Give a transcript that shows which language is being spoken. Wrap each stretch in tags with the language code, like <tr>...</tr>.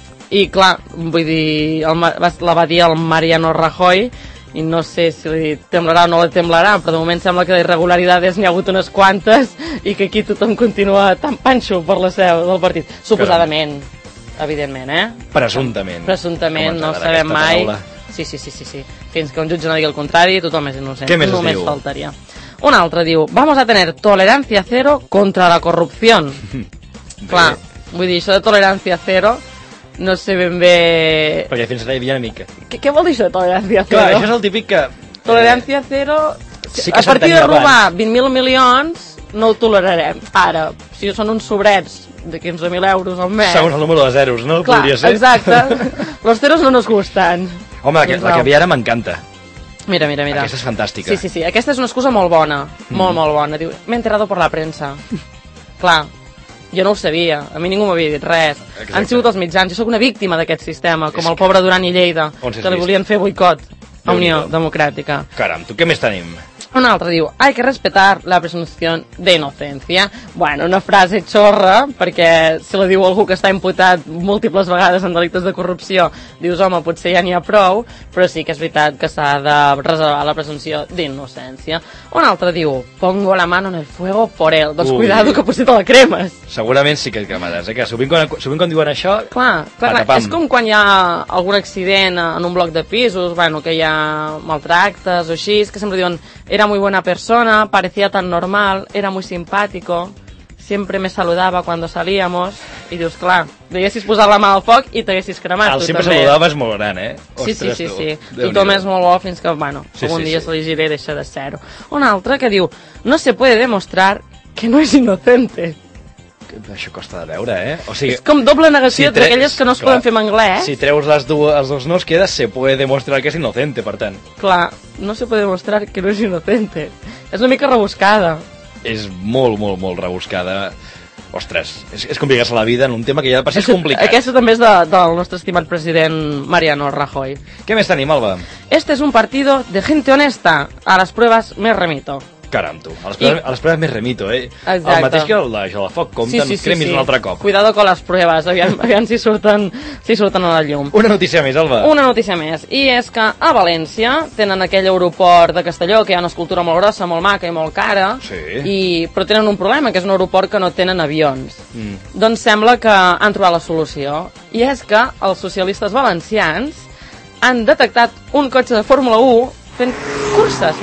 <ca>I clar, vull dir, la va dir el Mariano Rajoy, i no sé si li temblarà o no li temblarà, però de moment sembla que d'irregularidades n'hi ha hagut unes quantes i que aquí tothom continua tan panxo per la seu del partit. Suposadament, però... evidentment, eh? Presumptament. Presumptament, no sabem mai. Sí. Fins que un jutge no digui el contrari, tothom és innocent. Què més només es diu? Faltaria. Un altre diu,</ca> <es>vamos a tener tolerancia cero contra la corrupción.</es> <ca>Clar, vull dir, això de</ca> <es>tolerancia cero...</es> <ca>No sé ben bé... Perquè fins ara hi havia una mica. Què vol dir això de tolerància zero? Clar, això és el típic que... Tolerància zero... Sí que a partir de robar abans. 20.000 milions, no ho tolerarem. Ara, si són uns sobrets de 15.000 euros al mes... Segons el número de zeros, no? Clar, podria ser. Exacte.</ca> <es>Los ceros</es> <ca>no ens gusten. Home, la que hi ha ara m'encanta. Mira. Aquesta és fantàstica. Sí. Aquesta és una excusa molt bona. Molt, molt bona. Diu, m'he enterrado per la premsa. Clar. Jo no ho sabia, a mi ningú m'havia dit res. Exacte. Han sigut els mitjans, jo sóc una víctima d'aquest sistema, com el pobre Duran i Lleida, que li volien fer boicot a Unió Democràtica. Caram, tu què més tenim? Un altre diu,</ca> <es>hay que respetar la presunción de inocencia.</es> <ca>Bueno, una frase xorra, perquè si la diu algú que està imputat múltiples vegades en delictes de corrupció, dius, home, potser ja n'hi ha prou, però sí que és veritat que s'ha de reservar la presunció d'innocència. Un altre diu,</ca> <es>pongo la mano en el fuego por él.</es> <ca>Doncs cuidado, que potser te la cremes. Segurament sí que et cremaràs, eh? Que sovint quan diuen això... Clar, és com quan hi ha algun accident en un bloc de pisos, bueno, que hi ha maltractes o així, que sempre diuen...</ca> <es>Era muy buena persona, parecía tan normal, era muy simpático, siempre me saludaba cuando salíamos.</es> <ca>I dius, clar, deiessis posar la mà al foc i t'haguessis cremat. El sempre saludava és molt gran, eh? Sí. Tothom és molt bo fins que, bueno, algun dia se li giré i deixa de ser-ho. Un altre que diu,</ca> <es>no se puede demostrar que no es inocente.</es> <ca>això costa de veure, eh? O sigui, és com doble negació si d'aquelles que no es poden fer en anglès. Si treus les els dos nos, queda</ca> <es>se puede demostrar que es inocente,</es> <ca>per tant.</ca> <es>Clar, no se puede demostrar que no es inocente.</es> <ca>És una mica rebuscada. És molt, molt, molt rebuscada. Ostres, és complicar-se la vida en un tema que ja per si és complicat. Aquesta també és del nostre estimat president Mariano Rajoy. Què més tenim, Alba?</ca> <es>Este es un partido de gente honesta. A las pruebas me remito.</es> <ca>Caram, tu. A les proves més remito, eh? Exacte. El mateix que el d'això de foc, compten, sí, sí, cremis sí, sí. Un altre cop.</ca> <es>Cuidado con las pruebas,</es> <ca>aviam si surten a la llum. Una notícia més, Alba. Una notícia més. I és que a València tenen aquell aeroport de Castelló, que hi ha una escultura molt grossa, molt maca i molt cara, sí. Però tenen un problema, que és un aeroport que no tenen avions. Doncs sembla que han trobat la solució. I és que els socialistes valencians han detectat un cotxe de Fórmula 1 fent curses.</ca>